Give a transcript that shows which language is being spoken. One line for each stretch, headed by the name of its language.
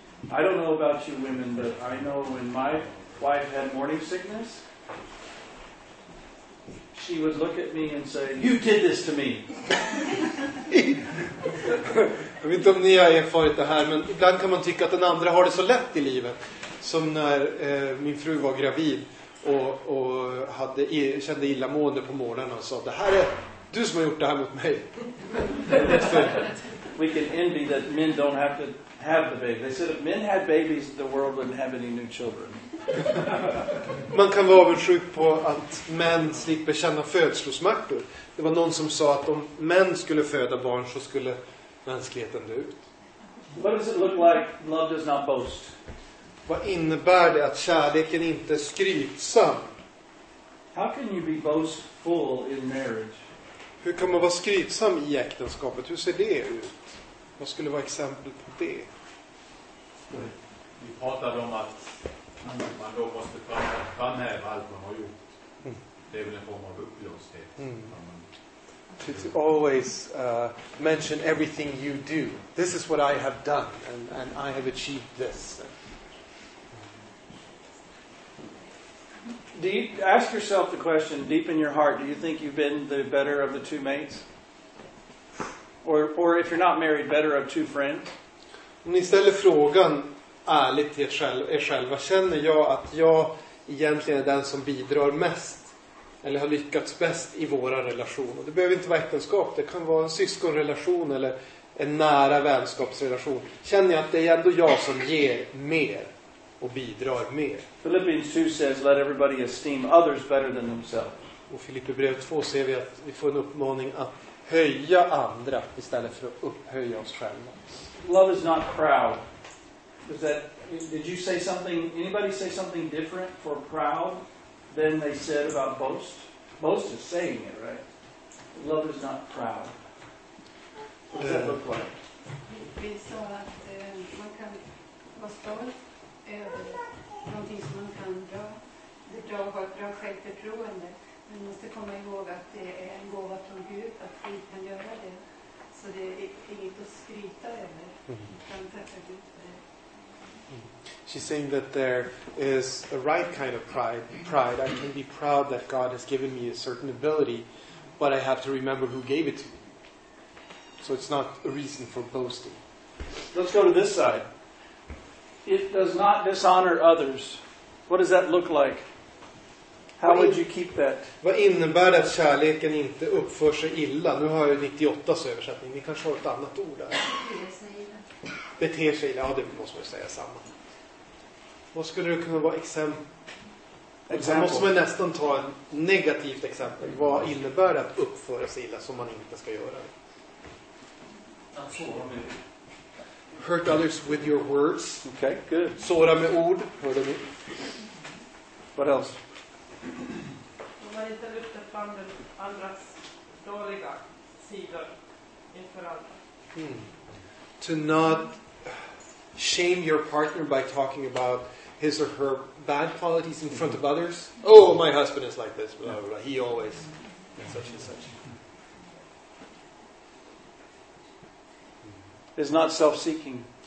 English: I don't know about you women, but I know when my wife had morning sickness, she would look at me and say, you did this to me.
Swedish: Jag vet inte om ni har erfarit det här, men ibland kan man tycka att den andra har det så lätt i livet. Som när min fru var gravid och hade kände illamående på morgonen och sa, det här är du som har gjort det här mot mig.
English: We can envy that men don't have to have the baby. They said if men had babies, the world wouldn't have any new children.
Swedish: Man kan vara avundsjuk på att män slipper känna födslosmärtor. Det var någon som sa att om män skulle föda barn så skulle mänskligheten dö ut.
English: What does it look like? Love does not boast.
Swedish: Vad innebär det att kärleken inte är skrytsam? How can you be boastful in marriage? Hur kan man vara skrytsam i äktenskapet? Hur ser det ut? Vad skulle vara exempel på det? Vi pratade om att man då måste framhäva allt man har gjort. Det är väl en form av upplåsthet.
English: To always mention everything you do. This is what I have done and I have achieved this. Do you ask yourself the question deep in your heart, do you think you've been the better of the two mates? Or if you're not married, better of two friends?
Swedish: Om ni ställer frågan ärligt till er själva, känner jag att jag egentligen är den som bidrar mest eller har lyckats bäst i våra relationer? Det behöver inte vara äktenskap, det kan vara en syskonrelation eller en nära vänskapsrelation. Känner jag att det är ändå jag som ger mer och bidrar mer?
English: Philippians 2 says, let everybody esteem others better than themselves.
Swedish: Och Filipperbrevet 2 ser vi att vi får en uppmaning att höja andra istället för att upphöja oss själva.
English: Love is not proud. Did you say something? Anybody say something different for proud than they said about boast? Boast is saying it, right? Love is not proud. What does that look like?
Swedish: Vi sa att man kan vara stolt över någonting som man kan dra. Det är bra att ha ett bra självförtroende. Men man måste komma ihåg att det är en gåva från Gud att vi kan göra det. Så det är inget att skryta över. Utan tacka Gud.
English: She's saying that there is a right kind of pride. I can be proud that God has given me a certain ability, but I have to remember who gave it to me. So it's not a reason for boasting. Let's go to this side. It does not dishonor others. What does that look like? How would you keep that?
Swedish: Vad innebär det att kärleken inte uppför sig illa? Nu har jag 98s översättning. Vi kanske har ett annat ord där. Beter sig illa. Ja, det måste man säga samma. Vad skulle det kunna vara exempel? Då måste man nästan ta en negativt exempel. Vad innebär det att uppföra sig illa som man inte ska göra? Att såra med ord.
English: Hurt others with your words. Okay, good.
Swedish: Såra med ord. Hör du?
English: What else?
Swedish: Om man inte lyfter fram den andras dåliga sidor inför andra.
English: To not shame your partner by talking about his or her bad qualities in front of others. Oh, my husband is like this, blah, blah, blah. He always such and such. Is not self-seeking.